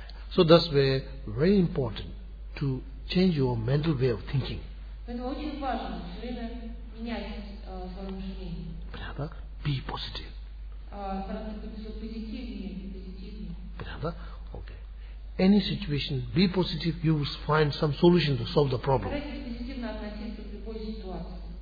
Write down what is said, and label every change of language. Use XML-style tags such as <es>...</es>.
<en>So that's very, very important to change your mental way of thinking.</en> <ru>Поэтому очень важно все время менять свое мышление. Понятно, да?</ru> <en>Be positive.</en> <ru>Стараться быть все позитивнее и позитивнее. Понятно, да? Окей.</ru> <en>Any situation, be positive, you will find some solution to solve the problem.</en> <ru>Старайтесь позитивно относиться к любой ситуации.</ru>